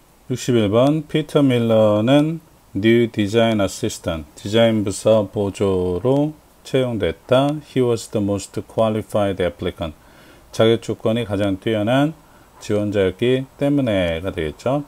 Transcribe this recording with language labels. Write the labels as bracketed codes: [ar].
[ko] 61번 피터 밀러는 New Design Assistant, 디자인 부서 보조로 채용됐다. [en] He was the most qualified applicant. [ko] 자격 조건이 가장 뛰어난 지원자였기 때문에가 되겠죠.